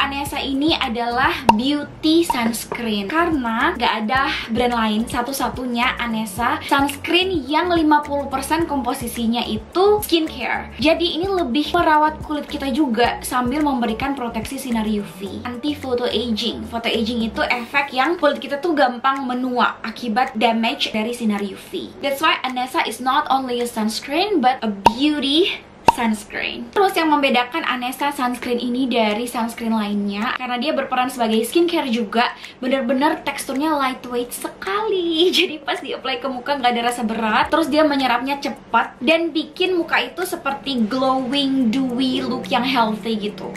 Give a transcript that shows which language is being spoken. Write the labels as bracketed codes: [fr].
[id] Anasa ini adalah beauty sunscreen, karena gak ada brand lain, satu-satunya Anasa sunscreen yang 50% komposisinya itu skincare. Jadi ini lebih merawat kulit kita juga sambil memberikan proteksi sinar UV, anti Photo aging itu efek yang kulit kita tuh gampang menua akibat damage dari sinar UV. [en] That's why Anasa is not only a sunscreen but a beauty sunscreen. [id] Terus yang membedakan Anasa sunscreen ini dari sunscreen lainnya, karena dia berperan sebagai skincare juga, benar-benar teksturnya lightweight sekali. Jadi pas diapply ke muka nggak ada rasa berat. Terus dia menyerapnya cepat dan bikin muka itu seperti glowing, dewy look yang healthy gitu.